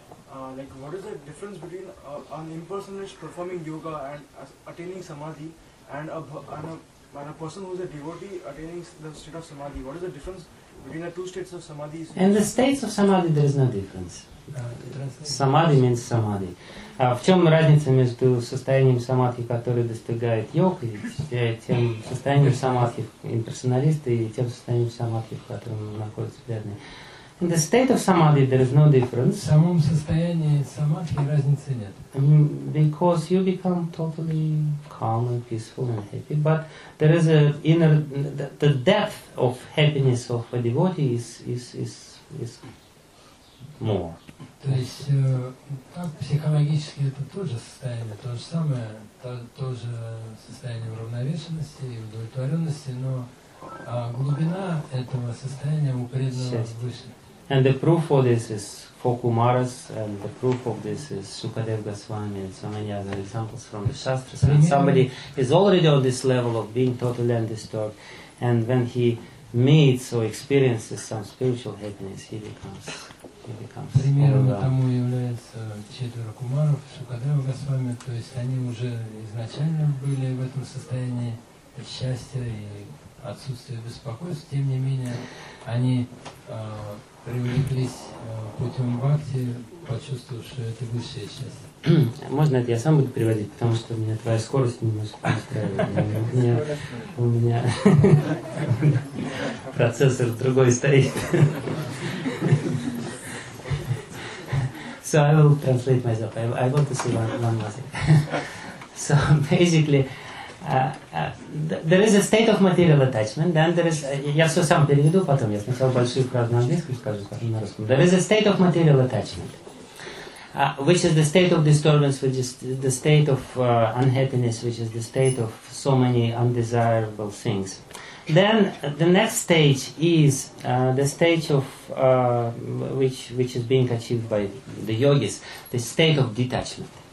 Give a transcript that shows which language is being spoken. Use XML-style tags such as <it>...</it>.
<en>Like what is the difference between an impersonalist performing yoga and attaining samadhi and a person who is a devotee attaining the state of samadhi? What is the difference between the two states of samadhi? In the states of samadhi there is no difference. Samadhi means samadhi.</en> <ru>В чем разница между состоянием самадхи, которое достигает йог, и тем состоянием самадхи имперсоналиста и тем состоянием самадхи, в котором находится преданный?</ru> <en>In the state of samadhi, there is no difference.</en> <ru>В самом состоянии самадхи разницы нет.</ru> <en>Because you become totally calm and peaceful and happy, but there is the depth of happiness of a devotee is more.</en> <ru>То есть так психологически это тоже состояние, то же самое, тоже состояние уравновешенности и удовлетворенности, но глубина этого состояния у преданного выше.</ru> <en>And the proof for this is for Kumaras, and the proof of this is Sukadeva Goswami and so many other examples from the Shastras. When somebody is already on this level of being totally undisturbed, and when he meets or experiences some spiritual happiness, he becomes.</en> <ru>Примером тому является четверо Кумаров, Сукадева Госвами, то есть они уже изначально были в этом состоянии счастья и отсутствия беспокойств, тем не менее они привлеклись путем бхакти, почувствовав, что это высшее счастье. Можно это я сам буду приводить, потому что у меня твоя скорость немножко устраивает. У меня процессор другой стоит.</ru> <en>So I will translate myself. I want to say one last thing. So basically, there is a state of material attachment, then there is...</en> <ru>Я все сам переведу потом, я сначала большую фразу на английском скажу, потом на русском.</ru> <en>There is a state of material attachment, which is the state of disturbance, which is the state of unhappiness, which is the state of so many undesirable things. Then the next stage is the stage of which is being achieved by the yogis, the state of detachment.</en>